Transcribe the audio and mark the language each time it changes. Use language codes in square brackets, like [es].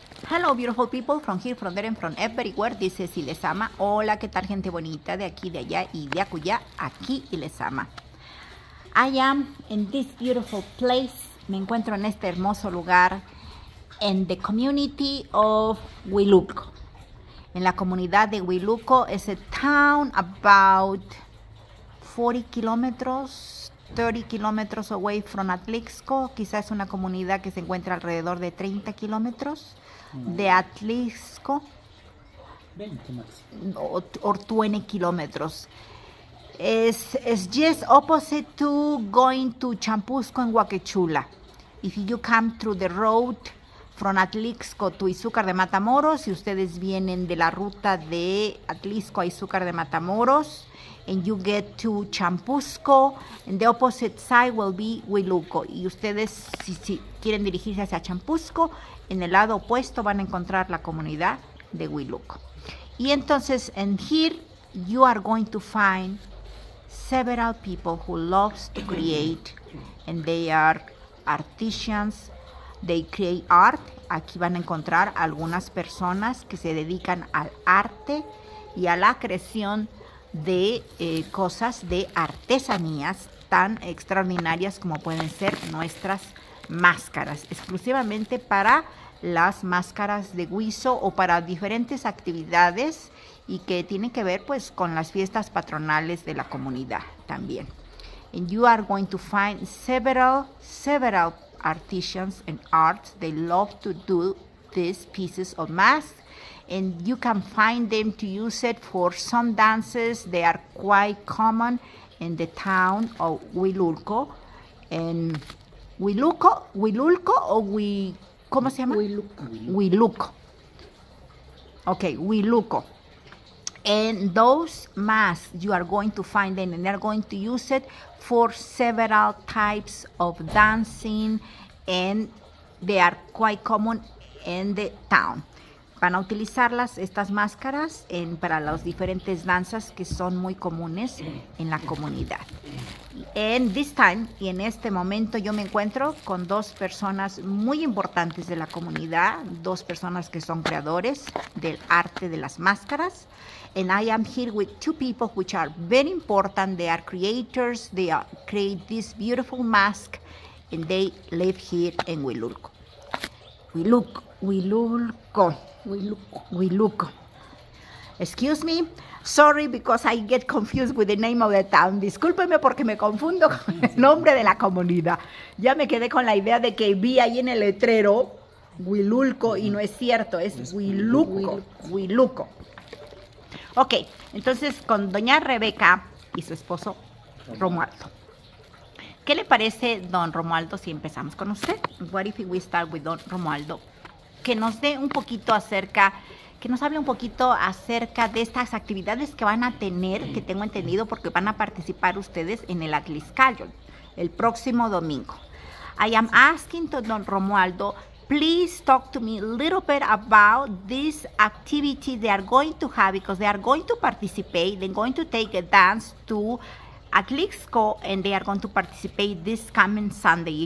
[en] Hello, beautiful people, from here, from there, and from everywhere, [es] dice y les ama. Hola, ¿qué tal, gente bonita de aquí, de allá y de acuya? Aquí y les ama. [en] I am in this beautiful place. [es] Me encuentro en este hermoso lugar, [en] in the community of Huiluco. [es] En la comunidad de Huiluco, es [en] a town about 40 kilómetros, 30 kilómetros away from Atlixco. [es] Quizás es una comunidad que se encuentra alrededor de 30 kilómetros de Atlixco, 20 más. O 20 kilómetros. [en] Es just opposite to going to Champusco en Huaquechula. If you come through the road from Atlixco to Izúcar de Matamoros, [es] si ustedes vienen de la ruta de Atlixco a Izúcar de Matamoros, [en] and you get to Champusco, and the opposite side will be Huiluco. [es] Y ustedes, si quieren dirigirse hacia Champusco, en el lado opuesto van a encontrar la comunidad de Huiluco. Y entonces, [en] and here you are going to find several people who loves to create, and they are artisans, they create art. [es] Aquí van a encontrar algunas personas que se dedican al arte y a la creación de cosas de artesanías tan extraordinarias como pueden ser nuestras máscaras, exclusivamente para las máscaras de guiso o para diferentes actividades y que tienen que ver pues con las fiestas patronales de la comunidad también. [en] And you are going to find several artisans and arts. They love to do these pieces of masks. And you can find them to use it for some dances. They are quite common in the town of Huiluco. And Huiluco, Huiluco or we, [es] ¿cómo se llama? [en] Huiluco. Huiluco. Okay, Huiluco. And those masks, you are going to find them and they're going to use it for several types of dancing. And they are quite common in the town. [es] Van a utilizarlas estas máscaras en, para las diferentes danzas que son muy comunes en la comunidad. [en] And this time, [es] y en este momento yo me encuentro con dos personas muy importantes de la comunidad, dos personas que son creadores del arte de las máscaras. [en] And I am here with two people which are very important. They are creators. They are, create this beautiful mask and they live here in Huiluco. Huiluco. Huiluco. Excuse me, sorry because I get confused with the name of the town. [es] Discúlpeme porque me confundo con el nombre de la comunidad. Ya me quedé con la idea de que vi ahí en el letrero Huiluco y no es cierto, es Huiluco. Huiluco. Ok, entonces con doña Rebeca y su esposo Romualdo. ¿Qué le parece, don Romualdo, si empezamos con usted? [en] What if we start with don Romualdo? [es] Que nos dé un poquito acerca, que nos hable un poquito acerca de estas actividades que van a tener, que tengo entendido, porque van a participar ustedes en el Atlixcayotl el próximo domingo. [en] I am asking to Don Romualdo, please talk to me a little bit about this activity they are going to have, because they are going to participate, they're going to take a dance to Atlixco, and they are going to participate this coming Sunday.